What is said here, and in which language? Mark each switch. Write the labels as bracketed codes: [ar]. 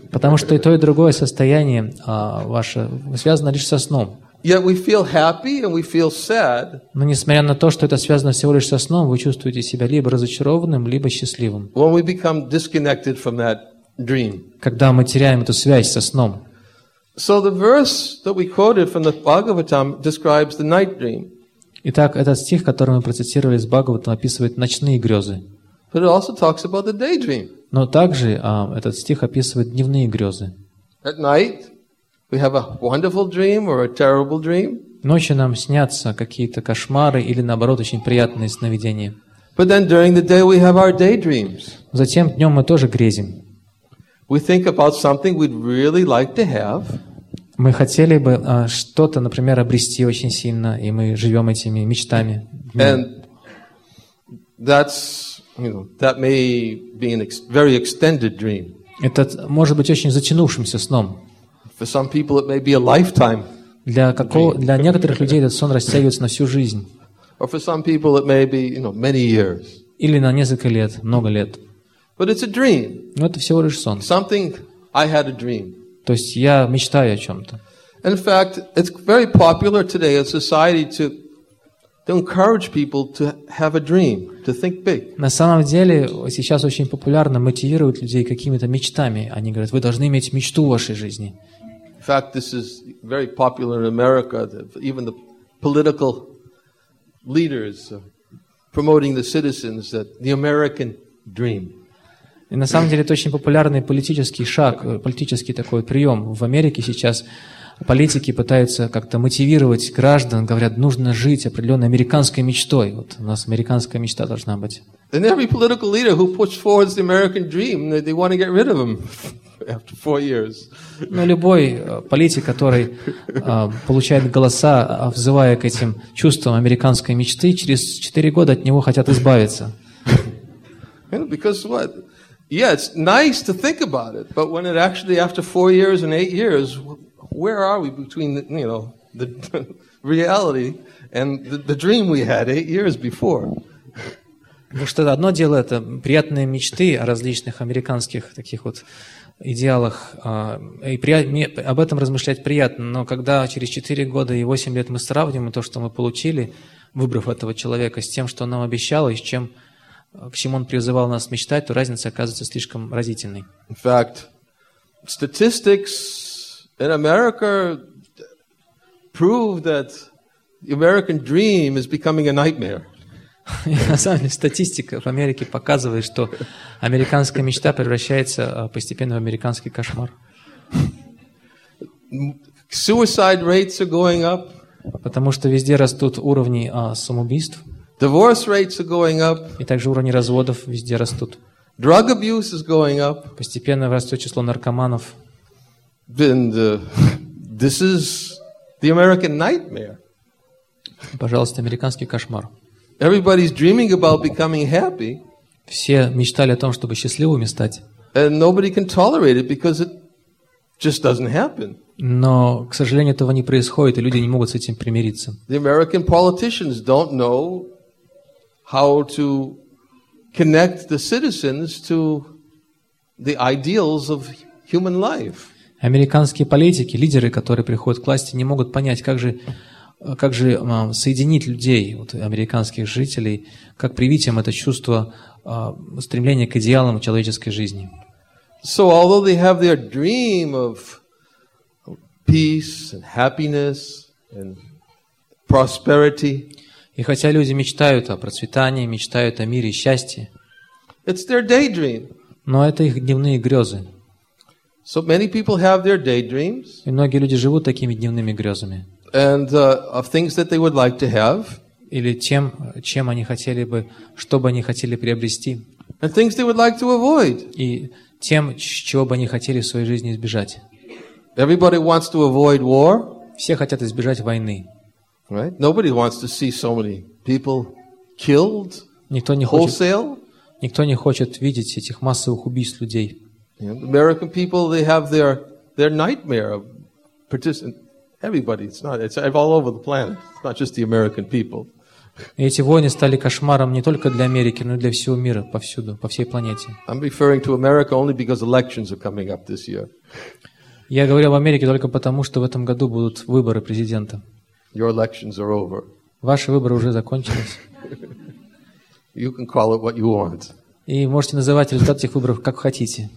[ru] Потому что и то, и другое состояние ваше связано лишь со сном. [en] Yet we feel happy and we feel sad. [ru] Но несмотря на то, что это связано всего лишь со сном, вы чувствуете себя либо разочарованным, либо счастливым. [en] When we become disconnected from that dream. [ru] Когда мы теряем эту связь со сном. [en] So the verse that we quoted from the Bhagavatam describes the night dream. [ru] Итак, этот стих, который мы процитировали из Бхагаватам, описывает ночные грезы. [en] But it also talks about the daydream. [ru] Но также этот стих описывает дневные грезы. [en] At night, we have a wonderful dream or a terrible dream. [ru] Ночью нам снятся какие-то кошмары или, наоборот, очень приятные сновидения. [en] But then during the day we have our daydreams. [ru] Затем днем мы тоже грезим. [en] We think about something we'd really like to have. [ru] Мы хотели бы что-то, например, обрести очень сильно, и мы живем этими мечтами. [en] And that's, you know, that may be a very extended dream. [ru] Это может быть очень затянувшимся сном. [en] For some people it may be a lifetime. [ru] Для некоторых людей этот сон растягивается на всю жизнь. [en] Or for some people it may be, you know, many years. [ru] Или на несколько лет, много лет. [en] But it's a dream. [ru] Но это всего лишь сон. [en] Something I had a dream. [ru] То есть я мечтаю о чем-то. [en] In fact, it's very popular today in society to encourage people to have a dream, to think big. [ru] На самом деле, сейчас очень популярно мотивировать людей какими-то мечтами. Они говорят: вы должны иметь мечту в вашей жизни. [en] In fact, this is very popular in America. Even the political leaders are promoting the citizens that the American dream. [ru] И на самом деле это очень популярный политический шаг, политический такой прием. В Америке сейчас политики пытаются как-то мотивировать граждан, говорят, нужно жить определенной американской мечтой. Вот у нас американская мечта должна быть. [en] And every political leader who puts forward the American dream, they want to get rid of them after four years. [ru] Но любой политик, который получает голоса, взывая к этим чувствам американской мечты, через 4 года от него хотят избавиться. [en] Because what? Yeah, it's nice to think about it, but when it actually after 4 years and 8 years, where are we between the, you know, the reality and the dream we had 8 years before? [ru] Потому что одно дело это приятные мечты о различных американских таких вот идеалах, и об этом размышлять приятно, но когда через 4 года и 8 лет мы сравним то, что мы получили, выбрав этого человека, с тем, что он нам обещал и с чем к чему он призывал нас мечтать, то разница оказывается слишком разительной. [en] In fact, statistics in America prove that the American dream is becoming a nightmare. [ru] На самом деле, статистика в Америке показывает, что американская мечта превращается постепенно в американский кошмар. [en] Suicide rates are going up. [ru] Потому что везде растут уровни самоубийств. [en] Divorce rates are going up. [ru] И также уровни разводов везде растут. [en] Drug abuse is going up. [ru] Постепенно растет число наркоманов. [en] And this is the American nightmare. [ru] Пожалуйста, американский кошмар. [en] Everybody's dreaming about becoming happy. [ru] Все мечтали о том, чтобы счастливыми стать. [en] And nobody can tolerate it because it just doesn't happen. [ru] Но, к сожалению, этого не происходит, и люди не могут с этим примириться. [en] The American politicians don't know how to connect the citizens to the ideals of human life. [ru] Американские политики, лидеры, которые приходят к власти, не могут понять, как же соединить людей, вот, американских жителей, как привить им это чувство стремления к идеалам человеческой жизни. [en] So although they have their dream of peace and happiness and prosperity, [ru] и хотя люди мечтают о процветании, мечтают о мире и счастье, [en] it's their daydream. [ru] Но это их дневные грезы. [en] So many people have their daydreams. [ru] И многие люди живут такими дневными грезами. [en] And of things that they would like to have. [ru] Или тем, чем они хотели бы, что бы они хотели приобрести. [en] And things they would like to avoid. [ru] И тем, чего бы они хотели в своей жизни избежать. [en] Everybody wants to avoid war. [ru] Все хотят избежать войны. [en] Right? Nobody wants to see so many people killed. [ru] Никто не хочет. Wholesale. Никто не хочет видеть этих массовых убийств людей. [en] Yeah, American people, they have their nightmare of participating. Everybody, it's all over the planet. It's not just the American people. [ru] Эти войны стали кошмаром не только для Америки, но и для всего мира, повсюду, по всей планете. [en] I'm referring to America only because elections are coming up this year. [ru] Я говорю об Америке только потому, что в этом году будут выборы президента. [en] Your elections are over. [ru] Ваши выборы уже закончились. [en] You can call it what you want. [ru] И можете называть результат этих выборов как хотите.